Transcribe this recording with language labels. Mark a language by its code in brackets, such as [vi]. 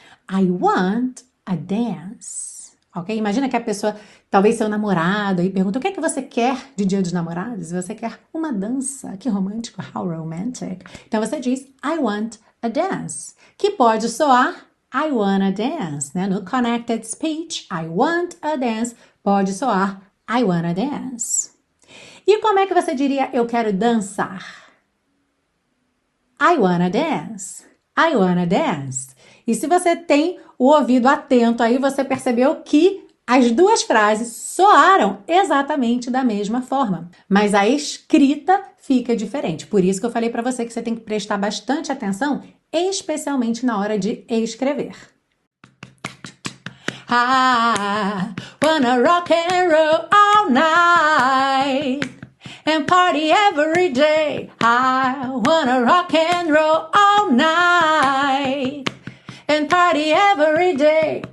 [en] I want a dance. Ok? [pt] Imagina que a pessoa, talvez seu namorado, aí pergunta o que é que você quer de dia dos namorados? Você quer uma dança. Que romântico. [en] How romantic. [pt] Então você diz, [en] I want a dance. [pt] Que pode soar, [en] I wanna dance. [pt] Né? [en] No connected speech, I want a dance. [pt] Pode soar, [en] I wanna dance. [pt] E como é que você diria, eu quero dançar? [en] I wanna dance. I wanna dance. [pt] E se você tem o ouvido atento aí, você percebeu que as duas frases soaram exatamente da mesma forma. Mas a escrita fica diferente. Por isso que eu falei para você que você tem que prestar bastante atenção especialmente na hora de escrever. [en] I wanna rock and roll all night and party every day. I wanna rock and roll all night and party every day.